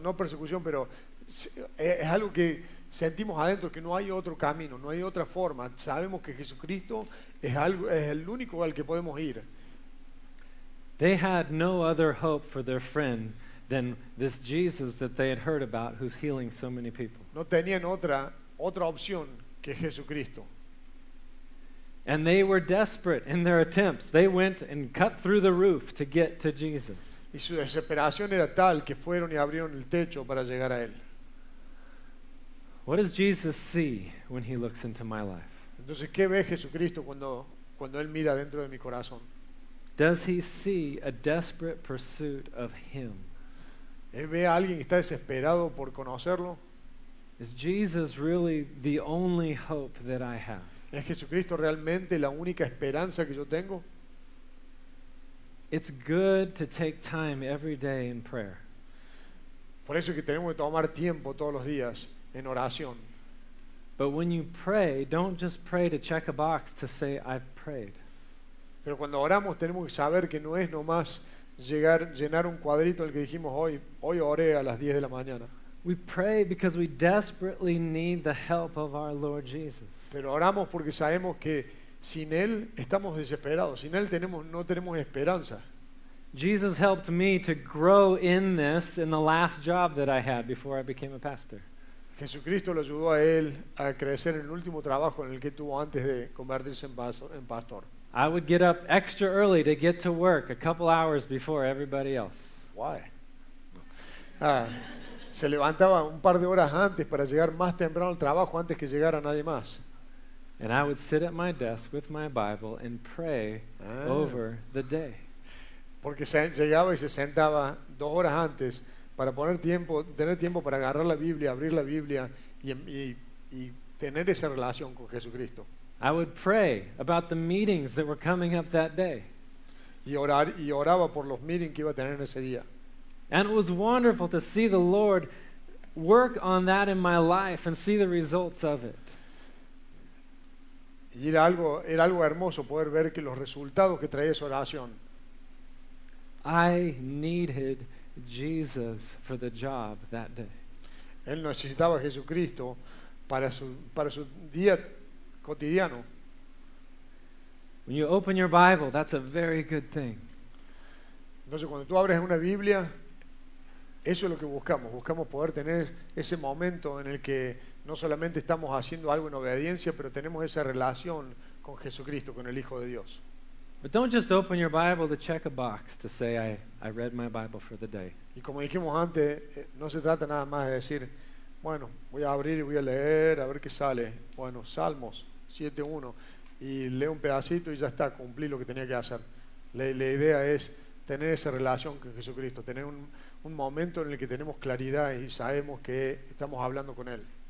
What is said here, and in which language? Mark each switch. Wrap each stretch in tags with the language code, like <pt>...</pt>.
<es>No persecución, pero es algo que sentimos adentro, que no hay otro camino, no hay otra forma. Sabemos que Jesucristo es el único al que podemos ir.</es> <en>They had no other hope for their friend than this Jesus that they had heard about, who's healing so many people.</en> <es>No tenían otra opción que Jesucristo.</es> <en>And they were desperate in their attempts. They went and cut through the roof to get to Jesus.</en> <es>Y su desesperación era tal que fueron y abrieron el techo para llegar a él.</es> <en>What does Jesus see when he looks into my life?</en> <es>Entonces, ¿qué ve Jesucristo cuando él mira dentro de mi corazón?</es> <en>Does he see a desperate pursuit of him?</en> <es>¿Ve a alguien que está desesperado por conocerlo?</es> <en>Is Jesus really the only hope that I have?</en> <es>¿Es Jesucristo realmente la única esperanza que yo tengo?</es> <en>It's good to take time every day in prayer.</en> <es>Por eso es que tenemos que tomar tiempo todos los días en oración.</es> <en>But when you pray, don't just pray to check a box to say I've prayed.</en> <es>Pero cuando oramos tenemos que saber que no es nomás llegar, llenar un cuadrito el que dijimos hoy oré a las 10 de la mañana.</es> <en>We pray because we desperately need the help of our Lord Jesus.</en> <es>Pero oramos porque sabemos que sin él estamos desesperados, sin él no tenemos esperanza.</es> <en>Jesus helped me to grow in this in the last job that I had before I became a pastor.</en> <es>Jesucristo lo ayudó a él a crecer en el último trabajo en el que tuvo antes de convertirse en pastor.</es> <en>I would get up extra early to get to work a couple hours before everybody else. Why?</en> <es>Se levantaba un par de horas antes para llegar más temprano al trabajo antes que llegara nadie más.</es> <en>And I would sit at my desk with my Bible and pray over the day.</en> <es>Porque se llegaba y se sentaba dos horas antes para tener tiempo para agarrar la Biblia, abrir la Biblia y tener esa relación con Jesucristo.</es> <en>I would pray about the meetings that were coming up that day.</en> <es>Y oraba por los meetings que iba a tener ese día.</es> <en>And it was wonderful to see the Lord work on that in my life and see the results of it.</en> <es>Y era algo hermoso poder ver que los resultados que traía esa oración.</es> <en>I needed Jesus for the job that day.</en> <es>Él necesitaba a Jesucristo para su día cotidiano.</es> <en>When you open your Bible, that's a very good thing.</en> <es>Entonces, cuando tú abres una Biblia, eso es lo que buscamos poder tener ese momento en el que no solamente estamos haciendo algo en obediencia, pero tenemos esa relación con Jesucristo, con el Hijo de Dios.</es> <en>But don't just open your Bible to check a box to say I read my Bible for the day.</en> <es>Y como dijimos antes, no se trata nada más de decir, bueno, voy a abrir y voy a leer a ver qué sale. Bueno, Salmos 7:1 y leo un pedacito y ya está, cumplí lo que tenía que hacer. La idea es tener esa relación con Jesucristo, tener un momento en el que tenemos claridad y sabemos que estamos hablando con él.</es>